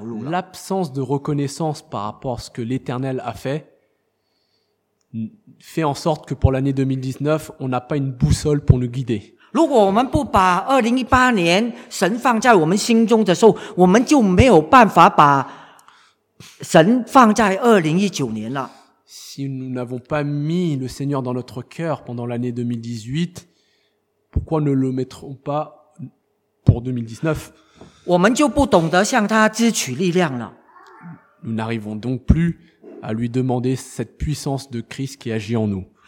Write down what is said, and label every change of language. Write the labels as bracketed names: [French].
[French] L'absence de reconnaissance par rapport à ce que l'Éternel a fait, fait en sorte que pour l'année 2019, on n'a pas une boussole pour nous guider. [Chinese] 如果我们不把2018年神放在我们心中的时候，我们就没有办法把神放在2019年了。 [French] Si nous n'avons pas mis le Seigneur dans notre cœur pendant l'année 2018, pourquoi ne le mettrons pas pour 2019? [Chinese] 我们就不懂得向他支取力量了。 [French] Nous n'arrivons donc plus à lui demander cette puissance de Christ qui agit en nous.